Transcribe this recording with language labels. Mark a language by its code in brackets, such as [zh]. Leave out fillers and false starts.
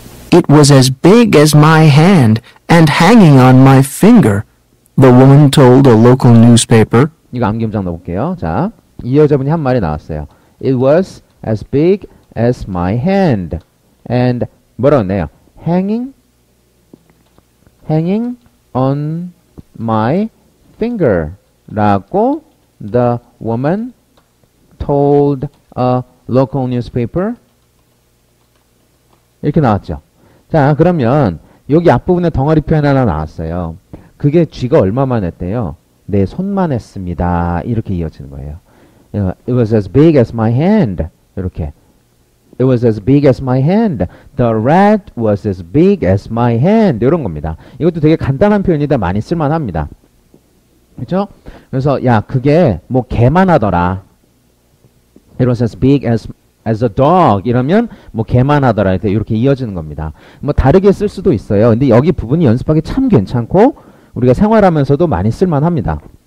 [en] It was as big as my hand and hanging on my finger, the woman told a local newspaper. [ko] 이거 암기 문장 넣어볼게요. 자, 이 여자분이 한 말이 나왔어요. [en] It was as big as my hand. And [ko] 뭐라고 했네요? [en] Hanging on my finger. 라고 the woman told a local newspaper. [ko] 이렇게 나왔죠. 자, 그러면 여기 앞부분에 덩어리표 하나 나왔어요. 그게 쥐가 얼마만 했대요? 내 손만 했습니다. 이렇게 이어지는 거예요. [en] It was as big as my hand. 이렇게. It was as big as my hand. The rat was as big as my hand. [ko] 이런 겁니다. 이것도 되게 간단한 표현인데 많이 쓸만합니다. 그렇죠? 그래서 야, 그게 뭐 개만 하더라. [en] It was as big as a dog. [ko] 이러면 뭐 개만 하더라. 이렇게 이어지는 겁니다. 뭐 다르게 쓸 수도 있어요. 근데 여기 부분이 연습하기 참 괜찮고 우리가 생활하면서도 많이 쓸만합니다.